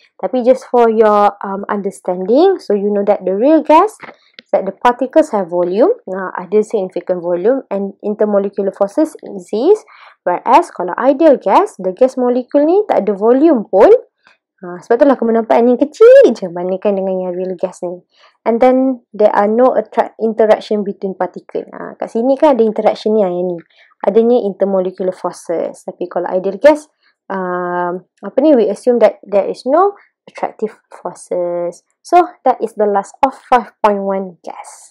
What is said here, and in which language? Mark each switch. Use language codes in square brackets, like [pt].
[ms] Tapi [en] just for your understanding, so you know that the real gas, that the particles have volume, [ms] ada [en] significant volume and intermolecular forces exist. Whereas [ms] kalau [en] ideal gas, the gas molecule [ms] ni tak ada [en] volume [ms] pun. Sebab itulah kamu nampak yang kecil je bandingkan dengan yang real gas ni. [en] And then there are no interaction between particle. [ms] Kat sini kan ada interaction ni, yang ni. Adanya intermolecular forces. Tapi kalau [en] ideal gas, we assume that there is no attractive forces. So that is the last of 5.1 gas.